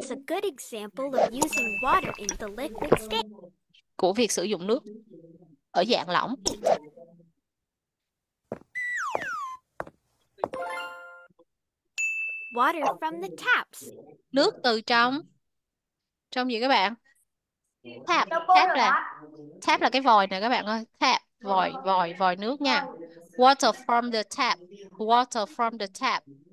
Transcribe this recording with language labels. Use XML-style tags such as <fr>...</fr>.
<en>It's a good example of using water in the liquid state.</en> <vi>của việc sử dụng nước ở dạng lỏng.</vi> <en>Water from the taps.</en> <vi>Nước từ trong trong gì các bạn? Tap, tap là cái vòi nè các bạn ơi, tap, vòi, vòi, vòi nước nha.</vi> <en>Water from the tap, water from the tap.</en>